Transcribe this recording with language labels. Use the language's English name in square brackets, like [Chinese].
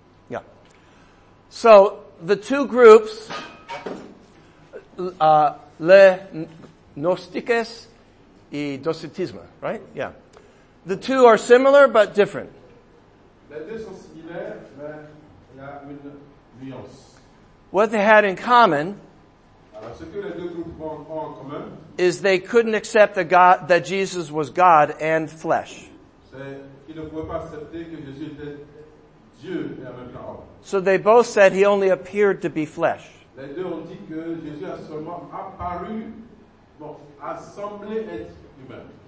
[English] Yeah. So the two groups, [French] le gnostiques et docetisme, [English] right? Yeah. The two are similar but different. [French] Les deux sont similaires, mais il y a une nuance. [English] What they had in common, [French] alors, ce que les deux groupes ont en commun, [English] is they couldn't accept the God, that Jesus was God and flesh. [French] C'est qu'ils ne pouvaient pas accepter que Jésus était Dieu et en même temps homme. [English] So they both said he only appeared to be flesh. [French] Les deux ont dit que Jésus a seulement apparu, bon, a semblé être humain.